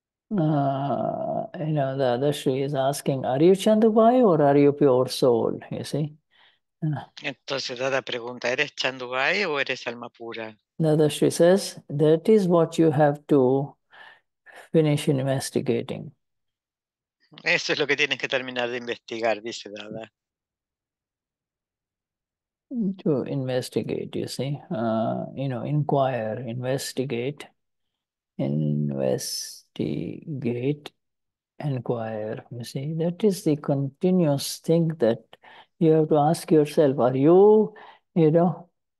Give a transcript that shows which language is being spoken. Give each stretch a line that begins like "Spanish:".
English: You know, the other Shri is asking, are you Chandubai or are you pure soul? You see?
Spanish: Entonces, la pregunta, ¿eres Chandubai o eres alma pura?
English: The other Shri says, that is what you have to finish investigating.
Spanish: Eso es lo que tienes que terminar de investigar, dice Dada.
English: To investigate, you see, you know, inquire, investigate, inquire, you see, that is the continuous thing that you have to ask yourself, are you, you know,